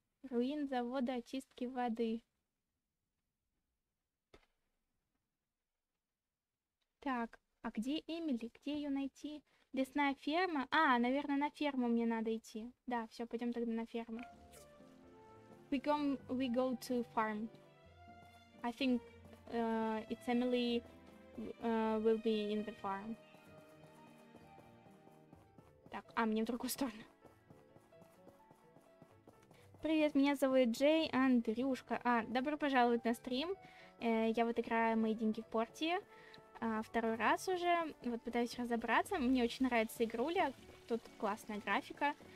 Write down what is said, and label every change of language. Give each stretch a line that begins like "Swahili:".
Russian: Руин завода очистки воды. Так, а где Эмили? Где ее найти? Лесная ферма? А, наверное, на ферму мне надо идти. Да, все, пойдем тогда на ферму.
English: We go to farm. I think it's Emily will be in the farm.
Russian: Так, а мне в другую сторону. Привет, меня зовут Джей Андрюшка. А, добро пожаловать на стрим. Я вот играю мои деньги в Портии. Второй раз уже. Вот пытаюсь разобраться. Мне очень нравится игруля. Тут классная графика.